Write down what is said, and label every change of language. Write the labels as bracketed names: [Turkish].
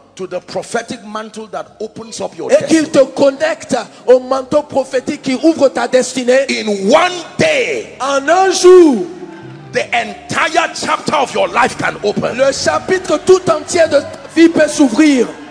[English] to the prophetic mantle that opens up your destiny. [French] Et qu'il te connecte au manteau prophétique qui ouvre ta destinée. [English] In one day, [French] en un jour, [English] the entire chapter of your life can open. [French] Le chapitre tout entier de ta vie peut s'ouvrir.